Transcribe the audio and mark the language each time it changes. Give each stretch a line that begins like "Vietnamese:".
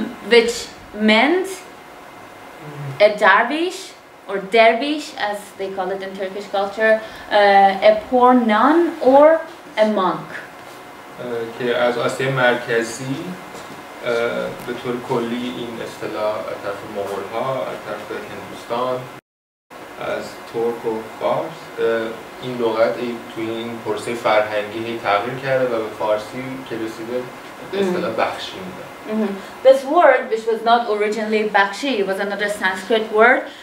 English: Which meant a darvish or dervish, as they call it in Turkish culture, a poor nun or a monk.
Persian: که از آسیا مرکزی به طور کلی این اصطلاح از طرف مغول ها، از طرف هندوستان، از ترک و فارس این لغت توی این پروسه فرهنگی تغییر کرده و به فارسی که رسیده اصطلاح بخشی میده.
English: This word, which was not originally bakshi, was another Sanskrit word.